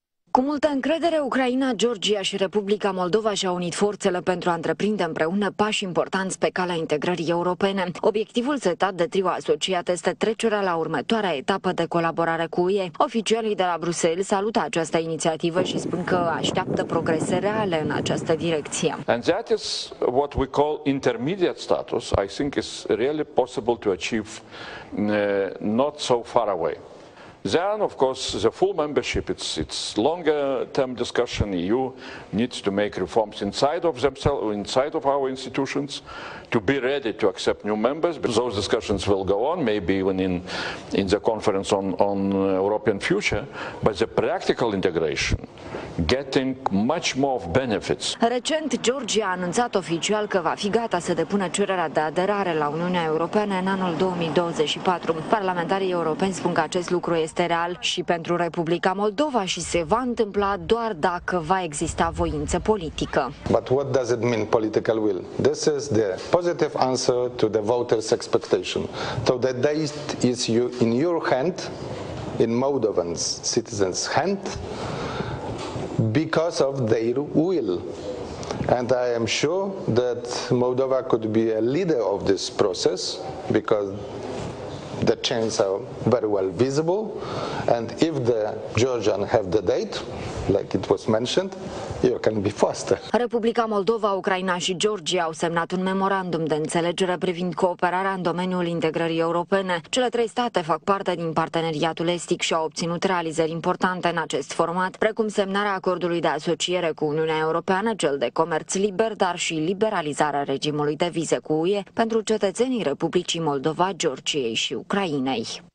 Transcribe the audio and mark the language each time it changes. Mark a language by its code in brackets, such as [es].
[ro] Cu multă încredere, Ucraina, Georgia și Republica Moldova și-au unit forțele pentru a întreprinde împreună pași importanți pe calea integrării europene. Obiectivul setat de trio asociat este trecerea la următoarea etapă de colaborare cu UE. Oficialii de la Bruxelles salută această inițiativă și spun că așteaptă progrese reale în această direcție. [en] And that is what we call intermediate status. I think is really possible to achieve not so far away. Then, of course, the full membership, it's longer-term discussion. EU needs to make reforms inside of themselves, inside of our institutions, to be ready to accept new members. But those discussions will go on, maybe even in the conference on European future. But the practical integration, getting much more of benefits. [ro] Recent, Georgia a anunțat oficial că va fi gata să depună cererea de aderare la Uniunea Europeană în anul 2024. Parlamentarii europeni spun că acest lucru este real și pentru Republica Moldova și se va întâmpla doar dacă va exista voință politică. [en] But what does it mean, political will? This is the positive answer to the voters' expectation. So the date is you in your hand, in Moldovan citizens' hand, because of their will. And I am sure that Moldova could be a leader of this process because the chances are very well visible. And if the Georgians have the date, like it was mentioned, you can be faster. [ro] Republica Moldova, Ucraina și Georgia au semnat un memorandum de înțelegere privind cooperarea în domeniul integrării europene. Cele trei state fac parte din parteneriatul estic și au obținut realizări importante în acest format, precum semnarea acordului de asociere cu Uniunea Europeană, cel de comerț liber, dar și liberalizarea regimului de vize cu UE pentru cetățenii Republicii Moldova, Georgiei și Ucrainei.